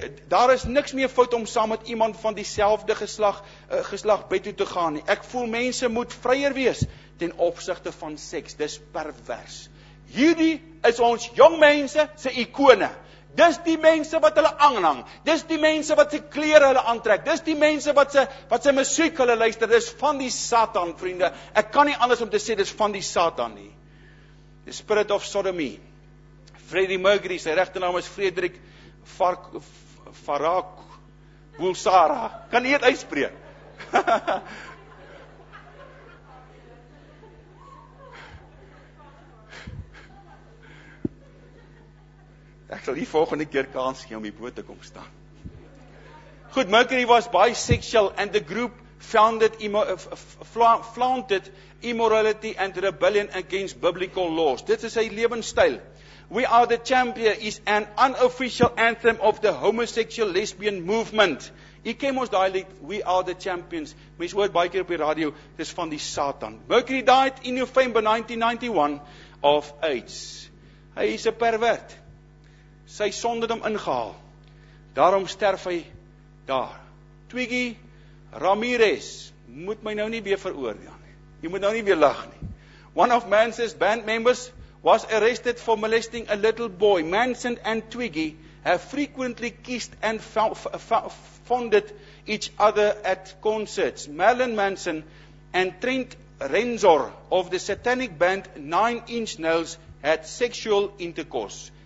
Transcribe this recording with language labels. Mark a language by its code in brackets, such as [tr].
[af] Daar is niks meer fout om saam met iemand van dieselfde geslag bed toe te gaan. Ek voel mense moet vryer wees ten opsigte van seks. Dis pervers. Hierdie is ons jong mense se ikone. Dis die mense wat hulle aanhang. Dis die mense wat se klere hulle aantrek. Dis die mense wat se musiek hulle luister. Dis van die Satan, vriende. Ek kan nie anders om te sê, dis van die Satan nie. [en] The Spirit of Sodomy. [af] Freddie Mercury, sy regte naam is Frederik Farak Bulsara. Kan nie het uitspreek. Ek sal die volgende keer kans gee om die boot te kom staan. [en] Goed, Mercury was bisexual and the group founded flaunted immorality and rebellion against biblical laws. [af] Dit is sy lewenstyl. [en] We are the champion is an unofficial anthem of the homosexual lesbian movement. [af] Ek ken ons daai lied, we are the champions. Mens hoor baie keer op die radio, dis van die Satan. [en] Mercury died in November 1991 of AIDS. [af] Hy is 'n pervert. Sy sonde het hom ingehaal. Daarom sterf hy daar. Twiggy Ramirez, moet my nou nie weer veroordeel nie. Jy moet nou nie weer lag nie. [en] One of Manson's band members was arrested for molesting a little boy. Manson and Twiggy have frequently kissed and fondled each other at concerts. Marilyn Manson and Trent Reznor of the satanic band Nine Inch Nails had sexual intercourse.